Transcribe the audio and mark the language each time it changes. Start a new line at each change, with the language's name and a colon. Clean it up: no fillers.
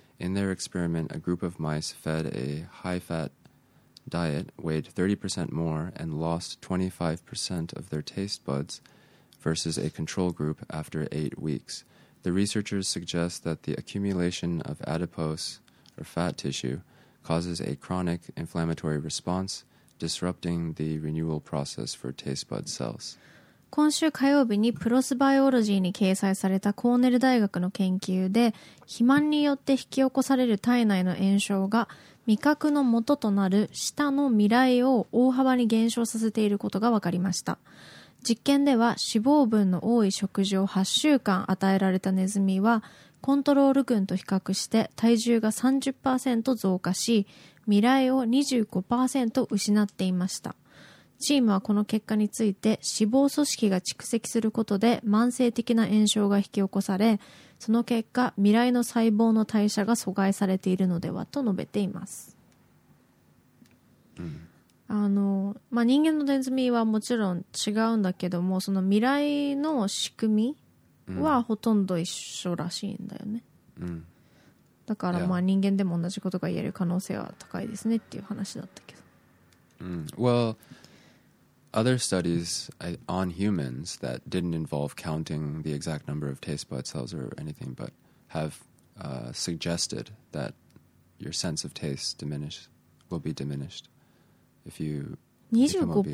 English: In their experiment, a group of mice fed a high-fat diet, weighed 30% more, and lost 25% of their taste buds versus a control group after 8 weeks. The researchers suggest that the accumulation of adipose, or fat tissue, causes a chronic inflammatory response, disrupting the renewal process for taste bud cells.
Japanese: 今週火曜日にプロスバイオロジーに掲載されたコーネル大学の研究で、肥満によって引き起こされる体内の炎症が味覚の元となる舌の味蕾を大幅に減少させていることが分かりました。実験では脂肪分の多い食事を8週間与えられたネズミは、コントロール群と比較して体重が 30% 増加し、味蕾を 25% 失っていました。チームはこの結果について、脂肪組織が蓄積することで慢性的な炎症が引き起こされ、その結果、味蕾の細胞の代謝が阻害されているのではと述べています。人間のネズミはもちろん違うんだけども、その味蕾の仕組みはほとんど一緒らしいんだよね。だから人間でも同じことが言える可能性は高いですねっていう話だったけど。
English: Well,other studies on humans that didn't involve counting the exact number of taste bud cells or anything, but have suggested that your sense of taste will be diminished if you become obese.